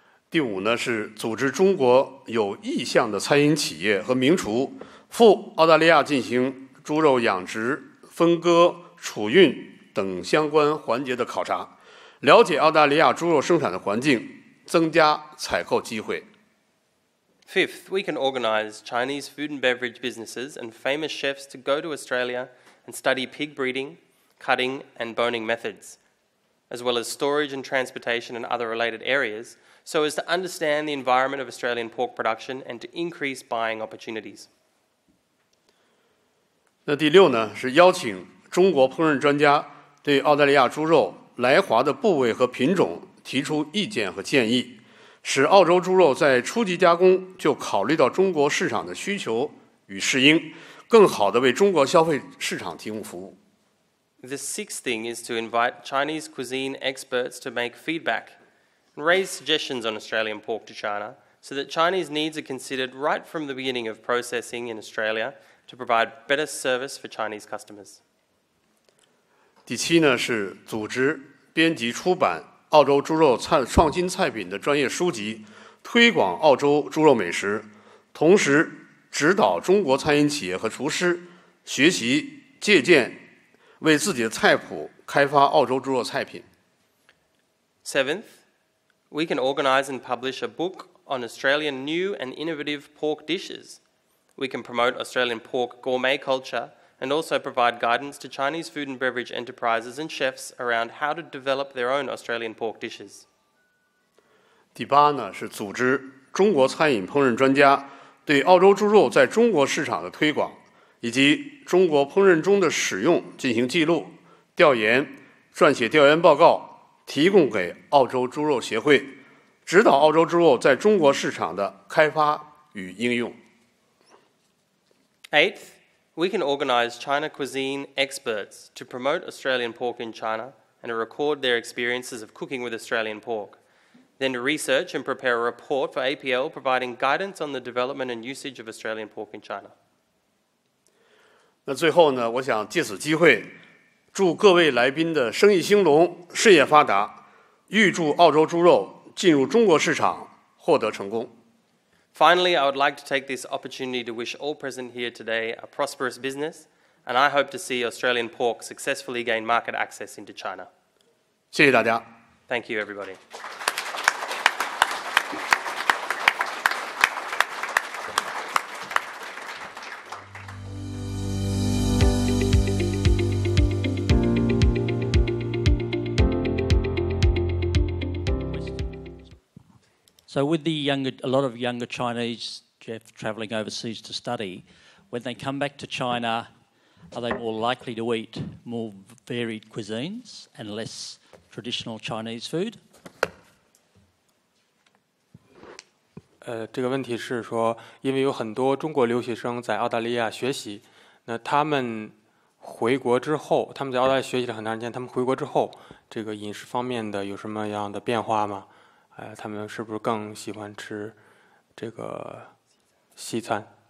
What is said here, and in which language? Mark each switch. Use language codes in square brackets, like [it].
[zh] 第五呢，是组织中国有意向的餐饮企业和名厨赴澳大利亚进行猪肉养殖、分割、储运等相关环节的考察，了解澳大利亚猪肉生产的环境，增加采购机会。 [en] Fifth, we can organise Chinese food and beverage businesses and famous chefs to go to Australia and study pig breeding, cutting and boning methods, as well as storage and transportation and other related areas, so as to understand the environment of Australian pork production and to increase buying opportunities. [zh] 那第六呢，是邀请中国烹饪专家对澳大利亚猪肉来华的部位和品种提出意见和建议，使澳洲猪肉在初级加工就考虑到中国市场的需求与适应，更好地为中国消费市场提供服务。 [en] The sixth thing is to invite Chinese cuisine experts to make feedback and raise suggestions on Australian pork to China so that Chinese needs are considered right from the beginning of processing in Australia to provide better service for Chinese customers. [zh] 第七呢，是组织编辑出版澳洲猪肉菜创新菜品的专业书籍，推广澳洲猪肉美食，同时指导中国餐饮企业和厨师学习借鉴，为自己的菜谱开发澳洲猪肉菜品。 [en] Seventh, we can organize and publish a book on Australian new and innovative pork dishes. We can promote Australian pork gourmet culture and also provide guidance to Chinese food and beverage enterprises and chefs around how to develop their own Australian pork dishes. [zh] 第八呢，是组织中国餐饮烹饪专家对澳洲猪肉在中国市场的推广以及中国烹饪中的使用进行记录、调研，撰写调研报告，提供给澳洲猪肉协会，指导澳洲猪肉在中国市场的开发与应用。 [en] Eighth, we can organize China cuisine experts to promote Australian pork in China and record their experiences of cooking with Australian pork. Then research and prepare a report for APL providing guidance on the development and usage of Australian pork in China. [zh] 那最后呢，我想借此机会祝各位来宾的生意兴隆，事业发达，预祝澳洲猪肉进入中国市场获得成功。 [en] Finally, I would like to take this opportunity to wish all present here today a prosperous business, and I hope to see Australian pork successfully gain market access into China. [zh] 谢谢大家。 [en] Thank you, everybody. So with a lot of younger Chinese, Jeff, travelling overseas to study, when they come back to China, are they more likely to eat more varied cuisines and less traditional Chinese food? [zh] 这个问题是说，因为有很多中国留学生在澳大利亚学习，那他们回国之后，他们在澳大利亚学习了很长时间，他们回国之后，这个饮食方面的有什么样的变化吗？他们是不是更喜欢吃这个西餐？